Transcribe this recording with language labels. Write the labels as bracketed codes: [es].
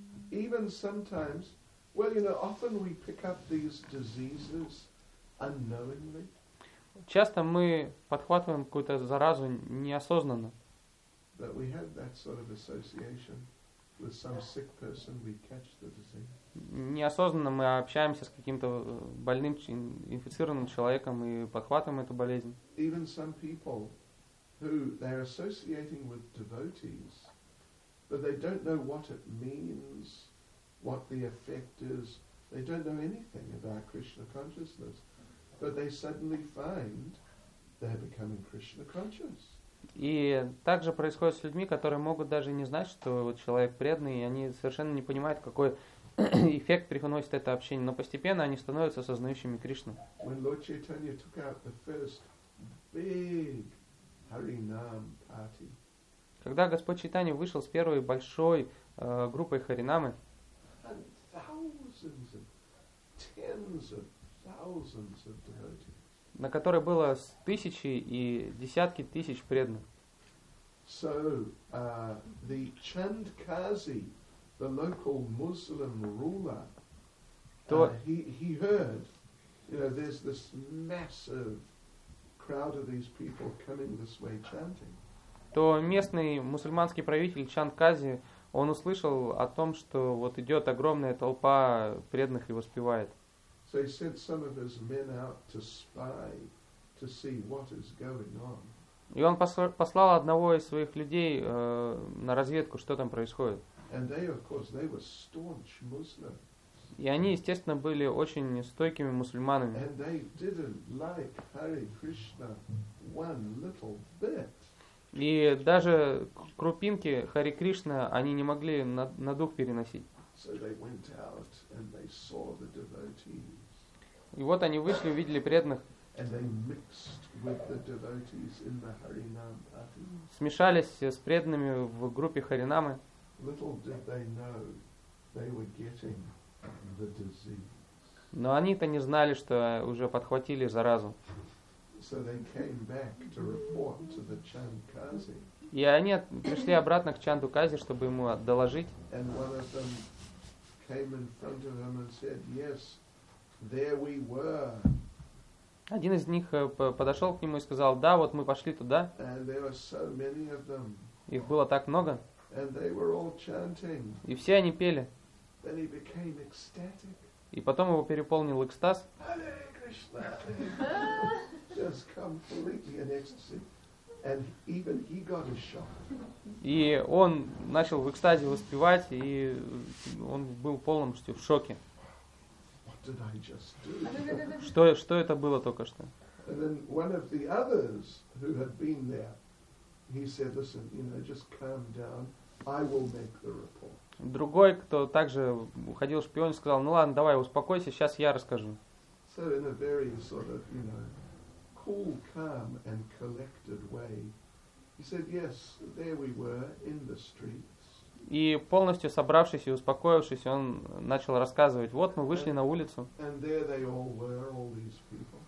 [en] Even sometimes, well, you know, often we pick up these diseases. Unknowingly. [ru] Часто мы подхватываем какую-то заразу неосознанно. [en] But we have that sort of association with some sick person, we catch the disease. [ru] Неосознанно мы общаемся с каким-то больным, инфицированным человеком и подхватываем эту болезнь. [en] Even some people who they're associating with devotees, but they don't know what it means, what the effect is, they don't know anything about Krishna consciousness. But they suddenly find they're becoming Krishna conscious. [ru] И также происходит с людьми, которые могут даже не знать, что вот человек преданный, и они совершенно не понимают, какой эффект приносит это общение. Но постепенно они становятся осознающими Кришну. [en] When Lord Chaitanya took out the first big Harinam party, [ru] когда Господь Чайтанья вышел с первой большой группой Харинамы, [en] thousands of, tens of thousands of devotees. [ru] На которой было тысячи и десятки тысяч преданных. [en] So, the Chandkazi, the local Muslim ruler, he heard, you know, there's this massive crowd of these people coming this way chanting. [ru] То местный мусульманский правитель Чандкази, он услышал о том, что вот идет огромная толпа преданных и воспевает. [en] So he sent some of his men out to spy, to see what is going on. [ru] И он послал одного из своих людей на разведку, что там происходит. [en] And they, of course, they were staunch Muslims. [ru] И они, естественно, были очень стойкими мусульманами. [en] And they didn't like Hare Krishna one little bit. [ru] И даже крупинки Хари Кришна они не могли на дух переносить. [en] So they went out and they saw the devotees. [ru] И вот они вышли, увидели преданных. [en] And they mixed with the devotees in the Harinam party. [ru] Смешались с преданными в группе Харинамы. [en] Little did they know they were getting the disease. [ru] Но они-то не знали, что уже подхватили заразу. [en] So they came back to report to the Chandkazi. [ru] И они пришли обратно к Чандукази, чтобы ему доложить. [en] And one of them came in front of him and said, "Yes, there we were." [ru] Один из них подошел к нему и сказал: "Да, вот мы пошли туда." [en] And there were so many of them. [ru] Их было так много. [en] And they were all chanting. [ru] И все они пели. [en] Then he became ecstatic. [ru] И потом его переполнил экстаз. [en] Hare Krishna. Just completely in ecstasy. And even he got a shock. [ru] И он начал в экстазе воспевать, и он был полностью в шоке. [en] What did I just do? [ru] Что это было только что? [en] And then one of the others who had been there, he said, "Listen, you know, just calm down. I will make the report." [ru] Другой, кто также уходил шпион, сказал: "Ну ладно, давай, успокойся, сейчас я расскажу." [en] So in a very sort of, you know, cool, calm, and collected way. He said, yes, there we were in the streets. [ru] И полностью собравшись и успокоившись, он начал рассказывать, вот мы вышли на улицу. [en] And there they all were, all these people.